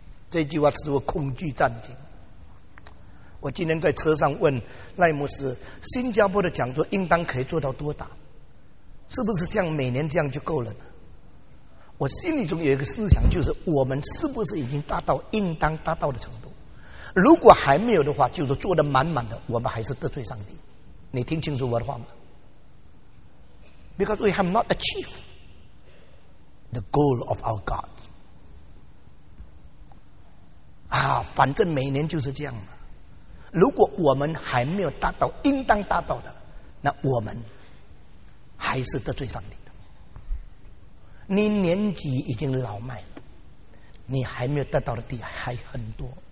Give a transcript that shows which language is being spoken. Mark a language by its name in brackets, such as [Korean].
[Chinese] 这句话使我恐惧战惊。我今天在车上问赖牧师，新加坡的讲座应当可以做到多大，是不是像每年这样就够了呢？我心里中有一个思想，就是我们是不是已经达到应当达到的程度？如果还没有的话，就是做得满满的，我们还是得罪上帝。你听清楚我的话吗？ [English] Because we have not achieved the goal of our God. [Chinese] 啊，反正每年就是这样嘛。如果我们还没有达到应当达到的，那我们还是得罪上帝的。你年纪已经老迈了，你还没有得到的地还很多。